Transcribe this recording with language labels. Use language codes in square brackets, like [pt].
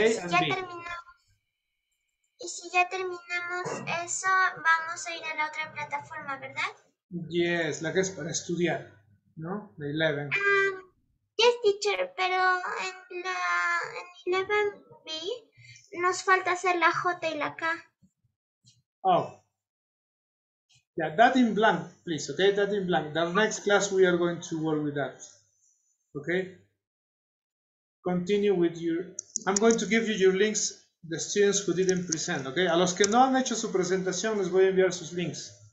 [es] y si ya terminamos, y si ya terminamos eso, vamos a ir a la otra plataforma, ¿verdad? Yes, la que es para estudiar, ¿no? The 11. [en] Yes, teacher, [es] pero en la 11B nos falta hacer la J y la K. [en] Oh. Yeah, that in blank, please, okay? That in blank. The next class we are going to work with that. Okay? Continue with your... I'm going to give you your links, the students who didn't present, okay? [es] A los que no han hecho su presentación, les voy a enviar sus links.